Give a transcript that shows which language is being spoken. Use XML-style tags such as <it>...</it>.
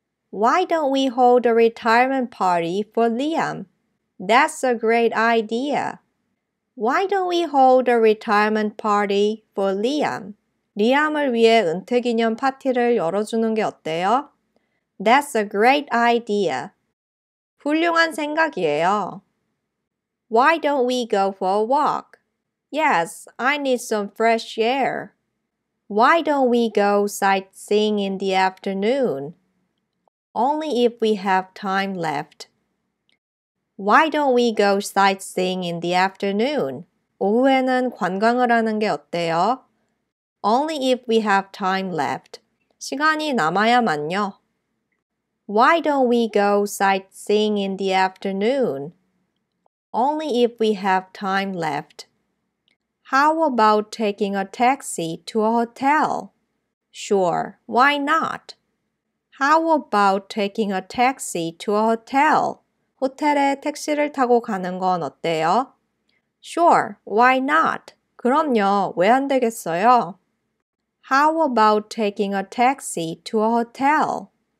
<en>Why don't we hold a retirement party for Liam? That's a great idea. Why don't we hold a retirement party for Liam?</en> <ko>리암을 위해 은퇴 기념 파티를 열어주는 게 어때요?</ko> <en>That's a great idea.</en> <ko>훌륭한 생각이에요.</ko> <en>Why don't we go for a walk? Yes, I need some fresh air. Why don't we go sightseeing in the afternoon? Only if we have time left. Why don't we go sightseeing in the afternoon?</en> <ko>오후에는 관광을 하는 게 어때요?</ko> <en>Only if we have time left.</en> <ko>시간이 남아야만요.</ko> <en>Why don't we go sightseeing in the afternoon? Only if we have time left. How about taking a taxi to a hotel? Sure, why not? How about taking a taxi to a hotel?</en> <ko>호텔에 택시를 타고 가는 건 어때요?</ko> <en>Sure, why not?</en> <ko>그럼요, 왜 안 되겠어요?</ko> <en>How about taking a taxi to a hotel?</en>